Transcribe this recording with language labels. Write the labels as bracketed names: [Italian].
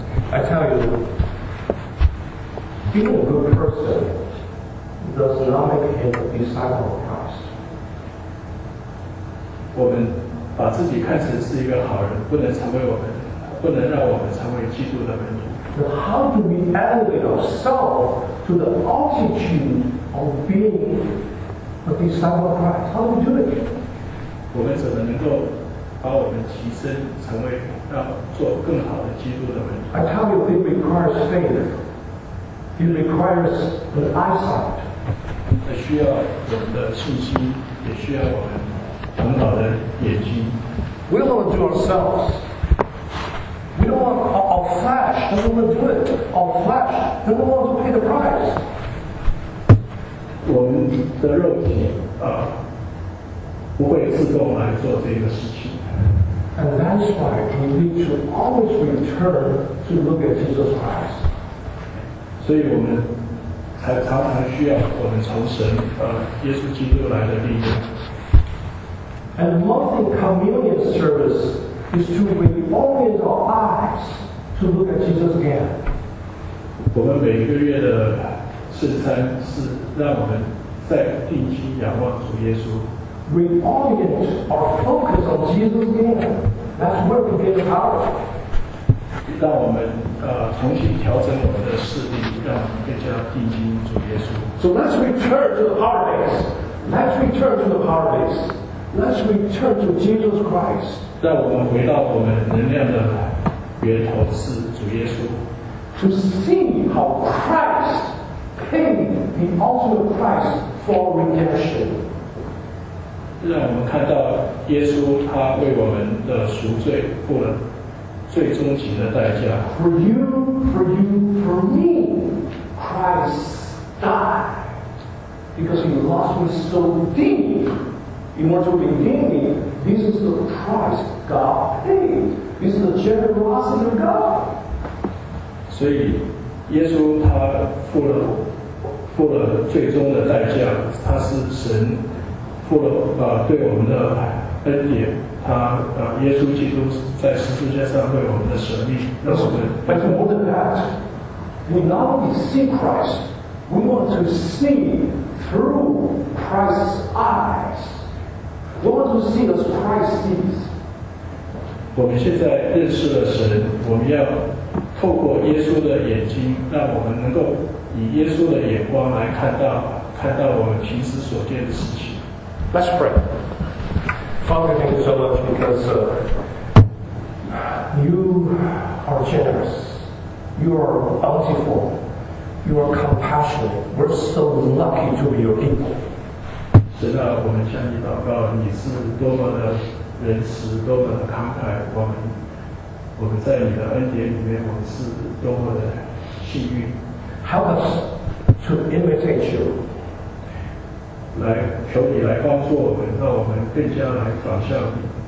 [English] I tell you, being a good person does not make him a disciple of Christ. [Chinese] 我们把自己看成是一个好人，不能让我们成为基督的门徒。 [English] So how do we elevate ourselves to the altitude of being a disciple of Christ? How do we do it? [Chinese] 我们怎么能够把我们提升成为要做更好的基督的门徒。 [English] I tell you, it requires faith. It requires an eyesight. [Chinese] 它需要我们的信心，也需要我们很好的眼睛。 [English] We don't want to do ourselves. We don't want our flesh. We don't want to do it. Our flesh. We don't want to pay the price. [Chinese] 我们的肉体不会自动来做这个事情。 [English] And that's why we need to always return to look at Jesus Christ. [Chinese] 所以我们才常常需要我们从神耶稣基督来的力量。 [English] And monthly communion service is to reorient our eyes to look at Jesus again. [Chinese] 我们每个月的圣餐是让我们再定睛仰望主耶稣。 [English] Reorient our focus on Jesus' name. That's where we get power. [Chinese] 让我们重新调整我们的视力，让我们更加定睛主耶稣。 [English] So let's return to the harvest. Let's return to the harvest. Let's return to Jesus Christ. [Chinese] 让我们回到我们能量的源头是主耶稣。 [English] To see how Christ paid the ultimate price for redemption. [Chinese] 让我们看到耶稣他为我们的赎罪付了最终极的代价。 [English] For me, Christ died because he lost me so deep. In order to redeem me, this is the price God paid. This is the generosity of God. [Chinese] 所以耶稣他付了最终的代价，他是神。付了对我们的恩典，他耶稣基督在十字架上为我们的舍命，让我们。 [English] But more than that, we not only see Christ, we want to see through Christ's eyes. We want to see as Christ sees. [Chinese] 我们现在认识了神，我们要透过耶稣的眼睛，让我们能够以耶稣的眼光来看到我们平时所见的事情。 [English] Let's pray. Father, thank you so much because you are generous. You are bountiful. You are compassionate. We're so lucky to be your people. [Chinese] 神啊，我们向你祷告，你是多么的仁慈，多么的慷慨，我们在你的恩典里面，我们是多么的幸运。 [English] Help us to imitate you. [Chinese] 来，求你来帮助我们，让我们更加来转向你。